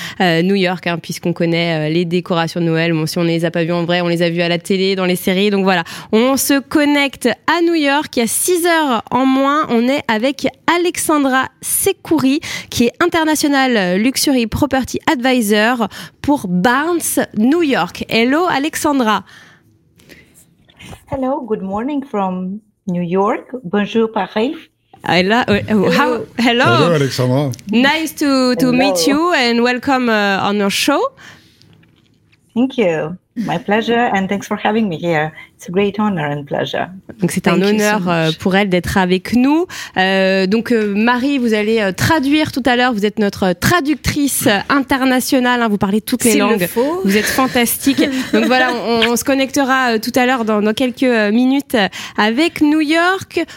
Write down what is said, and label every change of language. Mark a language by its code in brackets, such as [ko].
[fr] New York, puisqu'on connaît les décorations de Noël. Bon, si on ne les a pas vues en vrai, on les a vues à la télé, dans les séries. Donc voilà, on se connecte à New York. Il y a 6 heures en moins, on est avec Alexandra Sekouri, qui est International Luxury Property Advisor pour Barnes New York. [en] Hello Alexandra. Hello, good morning from New York. [fr] Bonjour Paris. [en] Hello. Hello Alexandra. Nice to meet you and welcome on your show. Thank you. My pleasure and thanks for having me here. It's a great honor and pleasure. [fr] Donc c'est un honneur pour elle d'être avec nous. Marie, vous allez traduire tout à l'heure. Vous êtes notre traductrice internationale. Hein. Vous parlez toutes les langues. S'il le faut. Vous êtes fantastique. Donc voilà, on se connectera tout à l'heure dans quelques minutes avec New York.